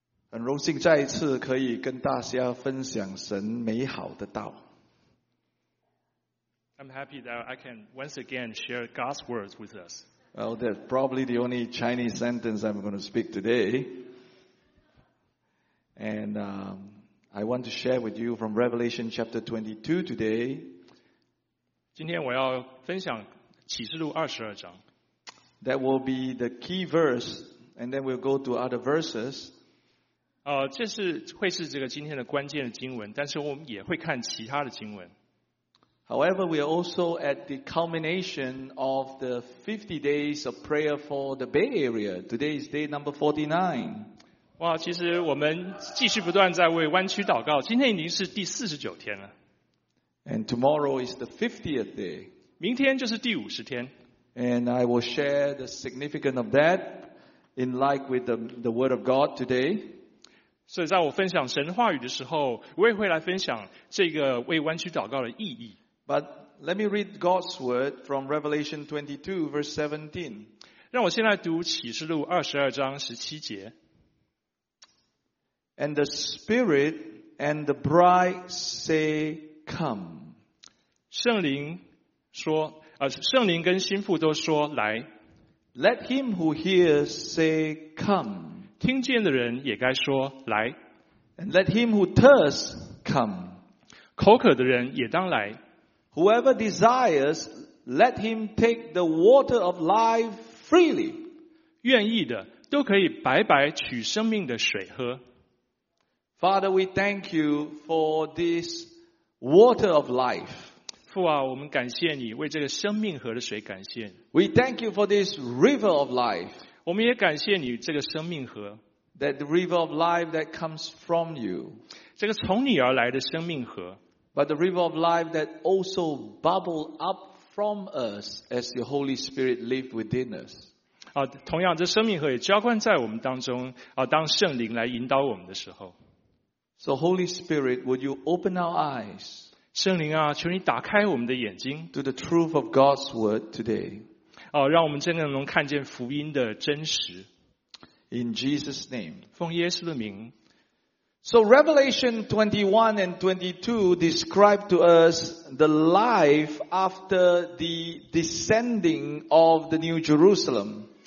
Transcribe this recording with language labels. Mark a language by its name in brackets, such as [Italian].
[Chinese] 很荣幸再一次可以跟大家分享神美好的道。 [English] I'm happy that I can once again share God's words with us. Well, that's probably the only Chinese sentence I'm going to speak today. And I want to share with you from Revelation chapter 22 today. [Chinese] 今天我要分享启示录二十二章。 [English] That will be the key verse, and then we'll go to other verses. [Chinese] 这是会是这个今天的关键的经文，但是我们也会看其他的经文。 [English] However, we are also at the culmination of the 50 days of prayer for the Bay Area. Today is day number 49. [Chinese] 哇，其实我们继续不断在为湾区祷告，今天已经是第49天了。 [English] And tomorrow is the 50th day. [Chinese] 明天就是第50天。 [English] And I will share the significance of that in light with the Word of God today. [Chinese] 所以在我分享神话语的时候，我也会来分享这个为湾区祷告的意义。 [English] But let me read God's word from Revelation 22, verse 17. [Chinese] 让我先来读启示录二十二章十七节。 [English] And the Spirit and the Bride say, "Come." [Chinese] 圣灵说，圣灵跟新妇都说来。 [English] Let him who hears say, "Come." [Chinese] 听见的人也该说来。 [English] And let him who thirsts come. [Chinese] 口渴的人也当来。 [English] Whoever desires, let him take the water of life freely. [Chinese] 愿意的都可以白白取生命的水喝。 [English] Father, we thank you for this water of life. [Chinese] 父啊，我们感谢你为这个生命河的水感谢。 [English] We thank you for this river of life. [Chinese] 我们也感谢你这个生命河。 [English] That the river of life that comes from you. [Chinese] 这个从你而来的生命河。 [English] But the river of life that also bubble up from us as your Holy Spirit lives within us. [Chinese] 同样这生命河也浇灌在我们当中，当圣灵来引导我们的时候。 [English] So Holy Spirit, would you open our eyes? [Chinese] 圣灵啊，求你打开我们的眼睛。 [English] To the truth of God's word today. [Chinese] 让我们真的能看见福音的真实。 [English] In Jesus' name. [Chinese] 奉耶稣的名。 [English] So Revelation 21 and 22 describe to us the life after the descending of the New Jerusalem.